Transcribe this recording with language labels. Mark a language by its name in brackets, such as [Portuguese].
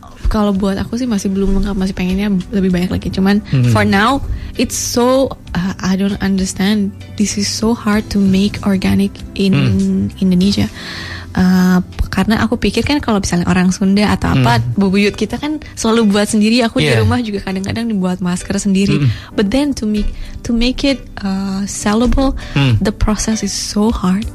[Indonesian] Kalau buat aku sih masih belum lengkap, masih pengennya lebih banyak lagi. [English] Cuman for now, it's so I don't understand. This is so hard to make organic in Indonesia. [Indonesian] Karena aku pikir kan kalau misalnya orang Sunda atau apa, bubuyut kita kan selalu buat sendiri. Aku di rumah juga kadang-kadang dibuat masker sendiri. [English] But then to make it sellable, the process is so hard.